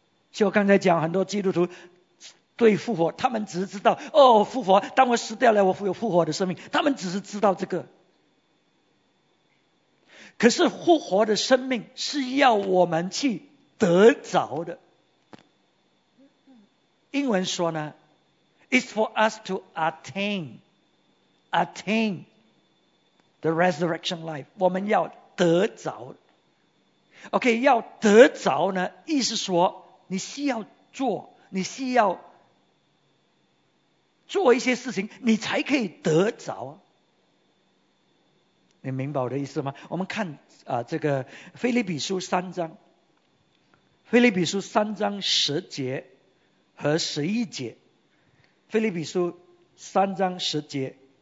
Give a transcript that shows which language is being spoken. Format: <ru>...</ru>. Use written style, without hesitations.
<zh>就刚才讲，很多基督徒对复活，他们只知道哦，复活，当我死掉了我有复活的生命，他们只是知道这个。可是复活的生命是要我们去得着的。</zh> <en>英文说呢， It's for us to attain the resurrection life.</en> <zh>我们要得着。 OK， 要得着呢，意思说你需要做，你需要做一些事情，你才可以得着。你明白我的意思吗？我们看这个腓立比书三章，腓立比书三章十节和十一节，腓立比书三章十节</zh>